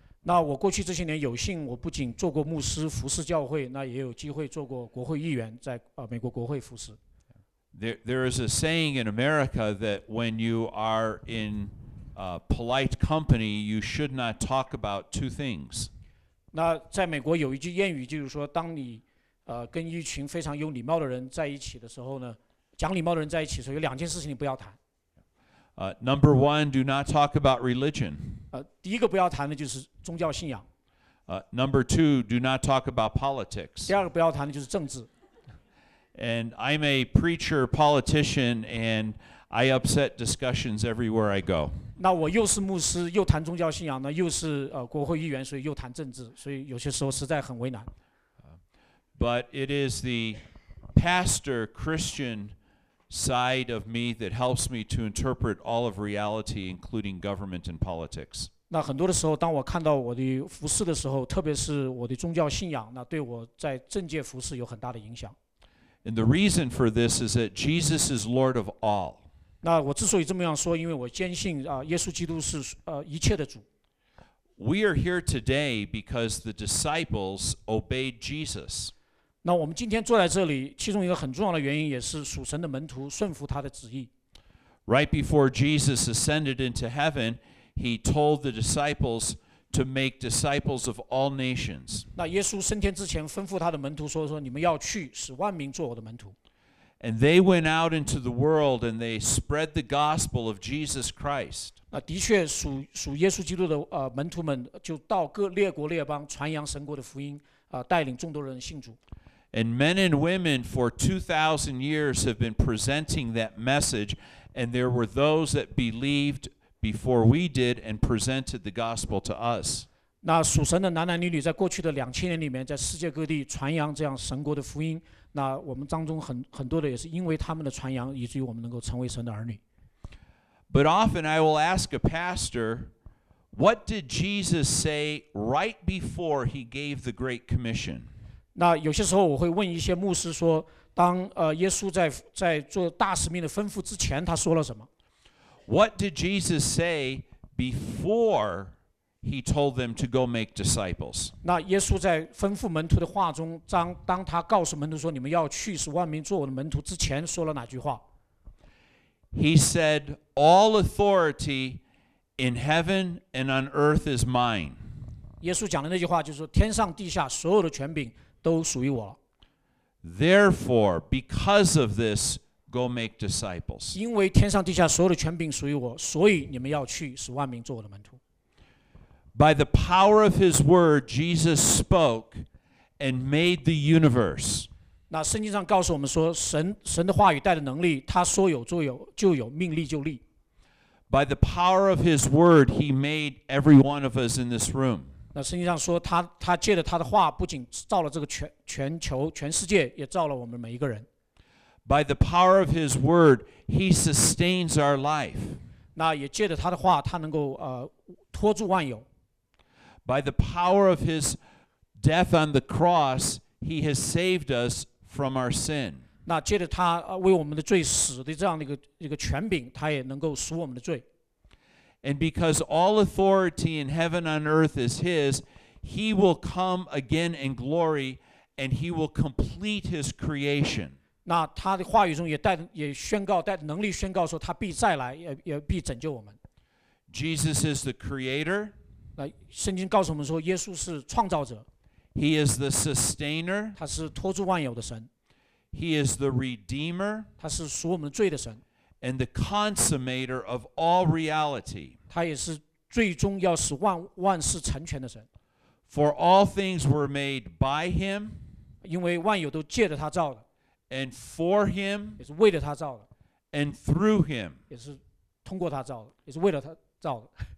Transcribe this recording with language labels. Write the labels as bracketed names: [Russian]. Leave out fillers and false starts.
[Chinese] 那我过去这些年有幸，我不仅做过牧师服侍教会，那也有机会做过国会议员，在美国国会服侍。 [English] There is a saying in America that when you are in polite company, you should not talk about two things. [Chinese] 那在美国有一句谚语，就是说，当你跟一群非常有礼貌的人在一起的时候呢，讲礼貌的人在一起的时候，有两件事情你不要谈。 [English] Number one, do not talk about religion. [Chinese] 第一个不要谈的就是宗教信仰。 [English] Number two, do not talk about politics. [Chinese] 第二个不要谈的就是政治。 [English] And I'm a preacher, politician, and I upset discussions everywhere I go. [Chinese] 那我又是牧师，又谈宗教信仰呢，又是国会议员，所以又谈政治，所以有些时候实在很为难。 [English] But it is the pastor Christian side of me that helps me to interpret all of reality, including government and politics. [Chinese] 那很多的时候，当我看到我的服事的时候，特别是我的宗教信仰，那对我在政界服事有很大的影响。 [English] And the reason for this is that Jesus is Lord of all. [Chinese] 那我之所以这么样说，因为我坚信耶稣基督是一切的主。 [English] We are here today because the disciples obeyed Jesus. [Chinese] 那我们今天坐在这里，其中一个很重要的原因也是属神的门徒顺服他的旨意。 [English] Right before Jesus ascended into heaven, he told the disciples to make disciples of all nations. [Chinese] 那耶稣升天之前吩咐他的门徒说，你们要去使万民做我的门徒。 [English] And they went out into the world and they spread the gospel of Jesus Christ. [Chinese] 那的确属耶稣基督的门徒们就到各列国列邦传扬神国的福音，带领众多人信主。 [English] And men and women for 2,000 years have been presenting that message, and there were those that believed before we did and presented the gospel to us. [Chinese] 那属神的男男女女在过去的2000年里面，在世界各地传扬这样神国的福音。那我们当中很多的也是因为他们的传扬，以至于我们能够成为神的儿女。 [English] But often I will ask a pastor, what did Jesus say right before he gave the Great Commission? [Chinese] 那有些时候我会问一些牧师说，当耶稣在做大使命的吩咐之前，他说了什么？ [English] What did Jesus say before he told them to go make disciples? [Chinese] 那耶稣在吩咐门徒的话中，当他告诉门徒说你们要去使万民做我的门徒之前，说了哪句话？ [English] He said, "All authority in heaven and on earth is mine." [Chinese] 耶稣讲的那句话就是说，天上地下所有的权柄都属于我了。 [English] Therefore, because of this, go make disciples. [Chinese] 因为天上地下所有的权柄属于我，所以你们要去使万民做我的门徒。 [English] By the power of his word, Jesus spoke and made the universe. [Chinese] 那圣经上告诉我们说，神的话语带着能力，他说有就有，就有命立就立。 [English] By the power of his word, he made every one of us in this room. [Chinese] 那圣经上说，他借着他的话，不仅造了这个全球全世界，也造了我们每一个人。 [English] By the power of his word, he sustains our life. [Chinese] 那也借着他的话，他能够托住万有。 [English] By the power of his death on the cross, he has saved us from our sin. [Chinese] 那借着他为我们的罪死的这样的一个权柄，他也能够赎我们的罪。 [English] And because all authority in heaven and earth is his, he will come again in glory, and he will complete his creation. [Chinese] 那他的话语中也宣告，带能力宣告说，他必再来，也必拯救我们。 [English] Jesus is the creator. [Chinese] 那圣经告诉我们说，耶稣是创造者。 [English] He is the sustainer. [Chinese] 他是托住万有的神。 [English] He is the redeemer. [Chinese] 他是赎我们罪的神。 [English] And the consummator of all reality. [Chinese] 他也是最终要使万事成全的神。 [English] For all things were made by him. [Chinese] 因为万有都借着他造的。 [English] And for him. [Chinese] 也是为了他造的。 [English] And through him. [Chinese] 也是通过他造的，也是为了他造的。